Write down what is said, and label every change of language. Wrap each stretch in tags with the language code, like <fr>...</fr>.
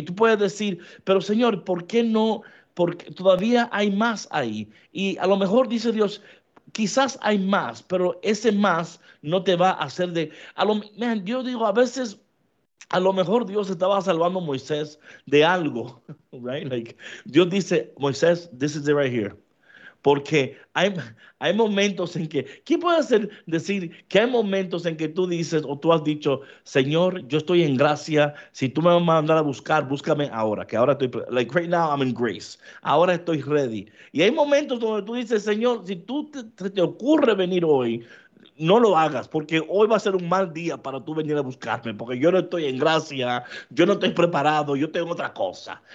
<es>Y tú puedes decir, pero Señor, ¿por qué no? Porque todavía hay más ahí. Y a lo mejor dice Dios, quizás hay más, pero ese más no te va a hacer de... yo digo, a veces, a lo mejor Dios estaba salvando a Moisés de algo.</es> <en>Right? Like,</en> <es>Dios dice,</es> <en>Moisés, this is it right here.</en> <es>Porque hay momentos en que, ¿quién puede hacer, decir que hay momentos en que tú dices o tú has dicho, Señor, yo estoy en gracia, si tú me vas a mandar a buscar, búscame ahora, que ahora estoy,</es> <en>like right now I'm in grace,</en> <es>ahora estoy ready. Y hay momentos donde tú dices, Señor, si tú te ocurre venir hoy, no lo hagas, porque hoy va a ser un mal día para tú venir a buscarme, porque yo no estoy en gracia, yo no estoy preparado, yo tengo otra cosa.</es>